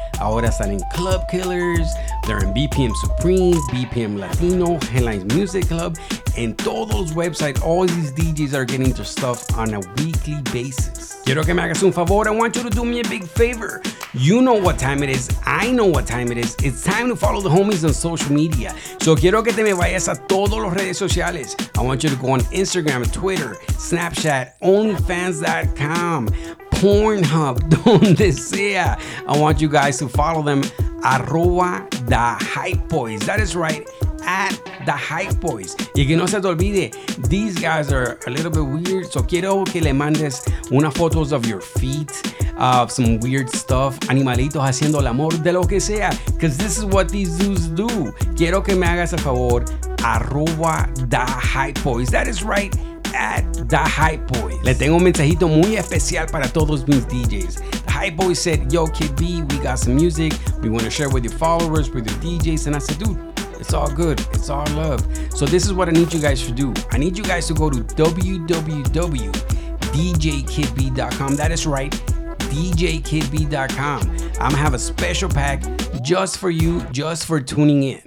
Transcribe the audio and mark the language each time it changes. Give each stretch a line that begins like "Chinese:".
Spanish: Ahora salen
English: Club Killers, they're in BPM Supreme, BPM Latino, Headlines Music Club, and
Spanish: todos los
English: websites, all these DJs are getting their stuff on a weekly basis.
Spanish: Quiero que me hagas un favor,
English: I want you to do me a big favor. You know what time it is, I know what time it is. It's time to follow the homies on social media.
Spanish: So quiero que te me vayas a todos los redes sociales.
English: I want you to go on Instagram, Twitter, Snapchat, OnlyFans.com, Pornhub,
Spanish: donde sea.
English: I want you guys to follow them, @TheHypeBoys. That is right, @TheHypeBoys.
Spanish: Y que no se te olvide,
English: these guys are a little bit weird, so
Spanish: quiero que le mandes una
English: photos of your feet, of some weird stuff,
Spanish: animalitos haciendo el amor, de lo que sea,
English: because this is what these dudes do.
Spanish: Quiero que me hagas el favor, @TheHypeBoys.
English: That is right, @TheHypeBoys.
Spanish: Le tengo un mensajito muy especial para todos mis DJs.
English: The Hype Boy said, yo, Kid B, we got some music. We want to share with your followers, with your DJs. And I said, dude, it's all good. It's all love. So this is what I need you guys to do. I need you guys to go to www.djkidb.com. That is right, djkidb.com. I'm going to have a special pack just for you, just for tuning in.